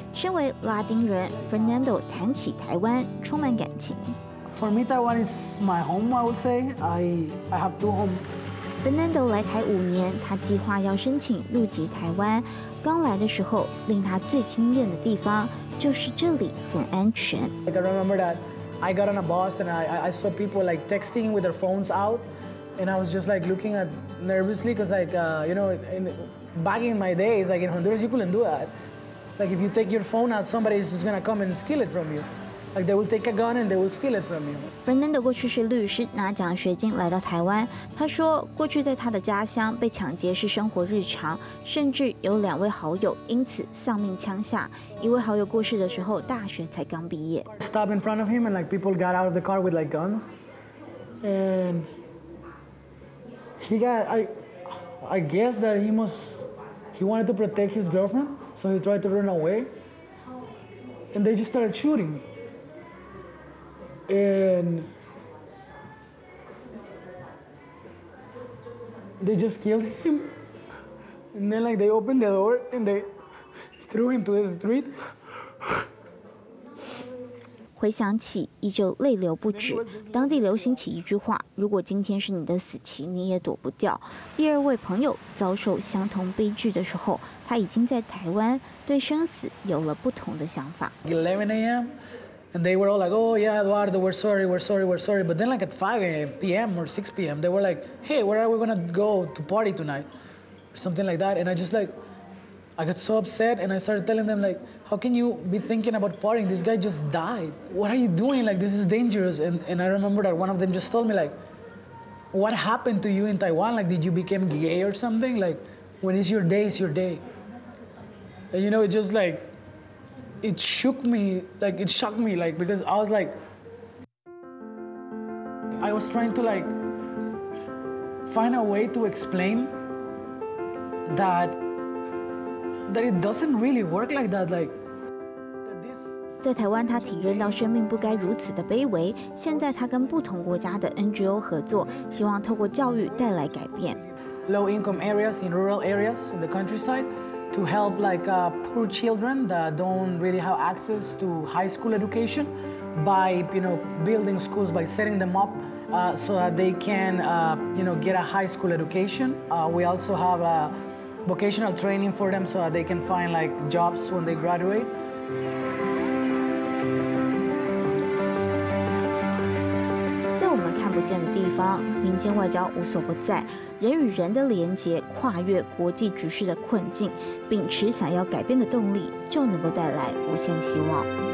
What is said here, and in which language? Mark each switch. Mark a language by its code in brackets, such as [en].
[zh] 身为拉丁人 ，Fernando 谈起台湾充满感情。 [en] For me, Taiwan is my home. I would say I have two homes. [zh] Fernando 来台5年，他计划要申请入籍台湾。刚来的时候，令他最惊艳的地方就是这里很安全。 [en] I can remember that I got on a bus and I saw people like texting with their phones out. And I was just like looking at nervously because like, you know, back in my days, like in Honduras, you couldn't do that. Like if you take your phone out, somebody is just going to come and steal it from you. Like they will take a gun and they will steal it from you. [zh] Fernando 过去是律师，拿奖学金来到台湾。他说过去在他的家乡被抢劫是生活日常，甚至有2位好友因此丧命枪下。一位好友过世的时候大学才刚毕业。 [en] Stop in front of him and like people got out of the car with like guns. And... He got, I guess that he wanted to protect his girlfriend, so he tried to run away. And they just started shooting. And they just killed him. And then like they opened the door and they threw him to the street. [zh] 回想起依旧泪流不止。当地流行起一句话，如果今天是你的死期，你也躲不掉。第二位朋友遭受相同悲剧的时候，他已经在台湾对生死有了不同的想法。 [en] 11 a.m. And they were all like, oh yeah, Eduardo, we're sorry, we're sorry, we're sorry. But then like at 5 p.m. or 6 p.m., they were like, hey, where are we gonna go to party tonight? Or something like that. And I just like, I got so upset and I started telling them like, how can you be thinking about partying? This guy just died. What are you doing? Like, this is dangerous. And I remember that one of them just told me like, what happened to you in Taiwan? Like, did you become gay or something? Like, when is your day, it's your day. And you know, it just like, it shook me, like it shocked me, like because I was like, I was trying to like find a way to explain that it doesn't really work like that, like. [zh] 在台湾，他体认到生命不该如此的卑微。现在他跟不同国家的 NGO 合作，希望透过教育带来改变。 [en] Low income areas in rural areas in the countryside. To help like poor children that don't really have access to high school education, by you know building schools, by setting them up so that they can you know get a high school education. We also have vocational training for them so that they can find like jobs when they graduate. [zh] In 我们看不见的地方，民间外交无所不在。人与人的连结跨越国际局势的困境，秉持想要改变的动力，就能够带来无限希望。